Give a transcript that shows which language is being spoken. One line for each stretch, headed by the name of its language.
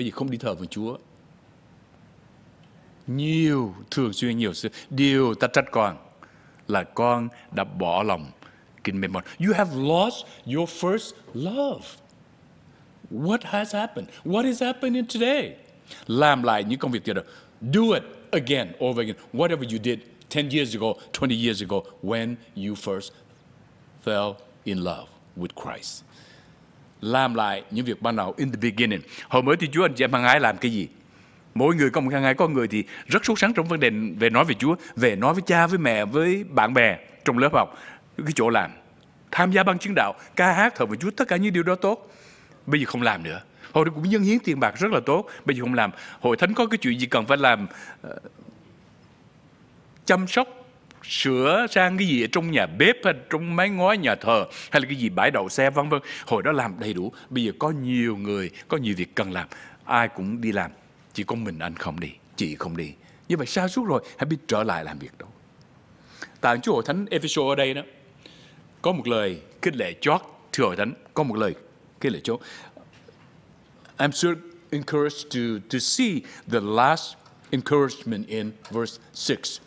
Vietnamese: Bây giờ không đi thờ phượng Chúa nhiều, thường xuyên nhiều xưa. Điều ta trách con là con đã bỏ lòng kinh mềm mòn.
English: You have lost your first love. What has happened? What is happening today?
Vietnamese: Làm lại những công việc tiêu đầu.
English: Do it again, over again. Whatever you did 10 years ago, 20 years ago, when you first fell in love with Christ.
Vietnamese: Làm lại những việc ban đầu,
English: in the beginning.
Vietnamese: Hồi mới thì Chúa anh chị em hằng ngày làm cái gì? Mỗi người có một hàng ngày, có người thì rất sốt sắng trong vấn đề về nói về Chúa, về nói với cha, với mẹ, với bạn bè, trong lớp học, cái chỗ làm, tham gia ban chứng đạo, ca hát, thờ phượng Chúa, tất cả những điều đó tốt. Bây giờ không làm nữa. Hồi đó cũng dâng hiến tiền bạc rất là tốt, bây giờ không làm. Hội thánh có cái chuyện gì cần phải làm, chăm sóc, sửa sang cái gì ở trong nhà bếp, hay trong mái ngói nhà thờ, hay là cái gì bãi đậu xe, vân vân. Hồi đó làm đầy đủ, bây giờ có nhiều người, có nhiều việc cần làm, ai cũng đi làm. Chỉ có mình anh không đi, chị không đi. Như vậy sa sút rồi, hãy biết trở lại làm việc đó. Tại Chúa Hội Thánh Ephesos ở đây đó, có một lời khích lệ chót, thưa Hội Thánh, có một lời khích lệ chót.
English: I'm so encouraged to see the last encouragement in verse 6.